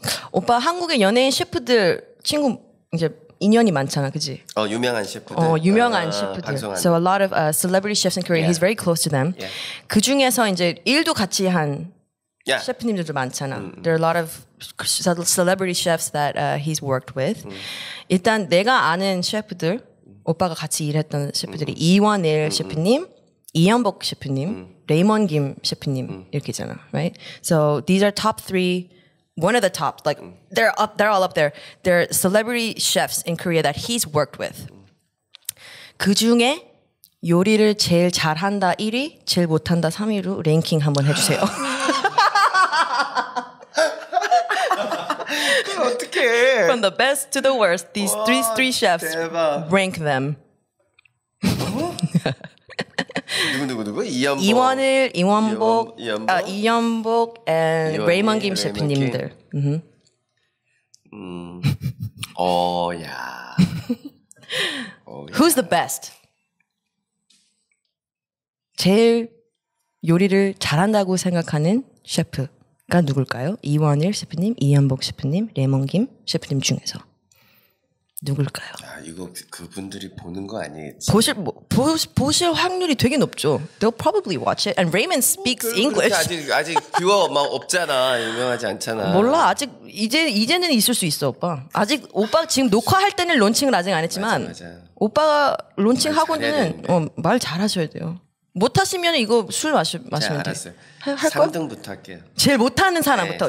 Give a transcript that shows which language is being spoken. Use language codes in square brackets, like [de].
[ko] 오빠 한국의 연예인 셰프들 친구 이제 인연이 많잖아, 그지? 유명한 셰프들. 유명한 셰프들. 방송하는. [en] So a lot of celebrity chefs in Korea. Yeah. He's very close to them. Yeah. [ko] 그 중에서 이제 일도 같이 한. [en] Yeah. [ko] 셰프님들도 많잖아. [en] Mm. There are a lot of celebrity chefs that he's worked with. Mm. [ko] 일단 내가 아는 셰프들, 오빠가 같이 일했던 셰프들이 이완일 셰프님, 이현복 셰프님, 레이먼 김 셰프님 이렇게잖아, [en] right? So these are top three, one of the top, like they're up, they're all up there. They're celebrity chefs in Korea that he's worked with. [ko] 그중에 요리를 제일 잘한다 1위, 제일 못한다 3위로 랭킹 한번 해주세요. 어떻게 [en] From the best to the worst, these three chefs [ko] 대박. [en] rank them. [ko] 누구? 이연복. 이완일, 이완복, 이연복 and 레이먼 김 셰프님들. 오야. [en] Who's the best? [ko] 제일 요리를 잘한다고 생각하는 셰프. 가 누굴까요? 이완일 셰프님, 이현복 셰프님, 레몬 김 셰프님 중에서 누굴까요? 아 이거 그분들이 보는 거 아니겠지? 보실 확률이 되게 높죠. [en] They'll probably watch it. And Raymond speaks English. [ko] 아직 뷰어 막 없잖아. 유명하지 않잖아. 몰라. 아직 이제는 있을 수 있어 오빠. 아직 오빠 지금 녹화할 때는 론칭을 아직 안 했지만 맞아. 오빠가 론칭 하고는 말 잘하셔야 돼요. 못 하시면 이거 술 마시면 돼. 알았어요. 3등부터 할게요. 제일 못하는 사람부터.